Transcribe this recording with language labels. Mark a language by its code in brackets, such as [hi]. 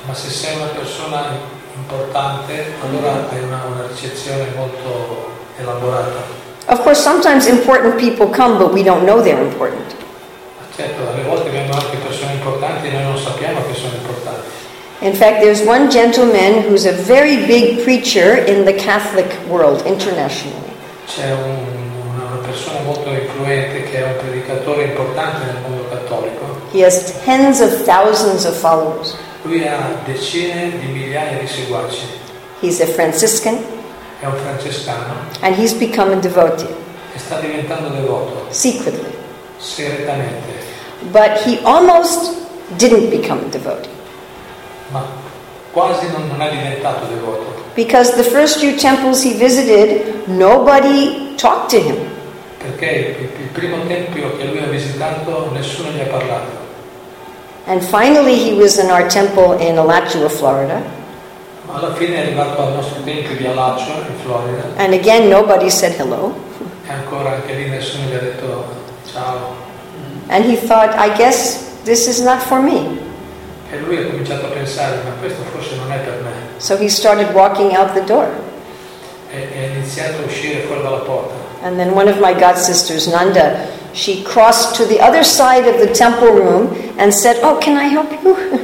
[it] Ma se sei una persona importante, allora hai una ricezione molto elaborata. [en] Of course, sometimes important people come, but we don't know they're important. [it] Certo, alle volte vengono anche persone importanti e noi non sappiamo che sono importanti. [en] In fact, there's one gentleman who's a very big preacher in the Catholic world, internationally. [it] C'è un persona molto influente che è un predicatore importante nel mondo cattolico. [en] He has tens of thousands of followers. [it] Lui ha decine di migliaia di seguaci. [en] He's a Franciscan. [it] È un francescano. [en] And he's become a devotee. [it] E sta diventando devoto. [en] Secretly. [it] Segretamente. [en] But he almost didn't become a devotee. [it] Ma quasi non è diventato devoto. [en] Because the first few temples he visited, nobody talked to him. [it] Perché il primo tempio che lui ha visitato, nessuno gli ha parlato. [en] And finally he was in our temple in Alachua, Florida. [it] Alla fine è arrivato al nostro tempio di Alachua, in Florida. [en] And again nobody said hello. [it] E ancora anche lì nessuno gli ha detto ciao. [en] And he thought, I guess this is not for me. [it] E lui ha cominciato a pensare, ma questo forse non è per me. [en] So he started walking out the door. [it] E ha iniziato a uscire fuori dalla porta. [en] And then one of my god sisters, Nanda, she crossed to the other side of the temple room and said, oh, can I help you?